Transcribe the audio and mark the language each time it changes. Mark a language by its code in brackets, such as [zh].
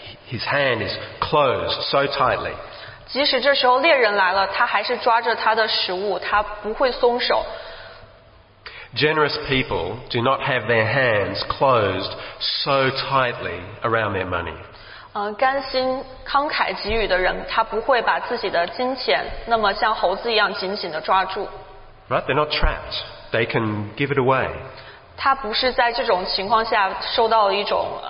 [en] His hand is closed so tightly. [zh] 即使这时候猎人来了，他还是抓着他的食物，他不会松手。 [en] Generous people do not have their hands closed so tightly around their money. [zh] 甘心慷慨给予的人，他不会把自己的金钱那么像猴子一样紧紧的抓住。 [en] Right, they're not trapped. They can give it away. [zh] 他不是在这种情况下受到一种。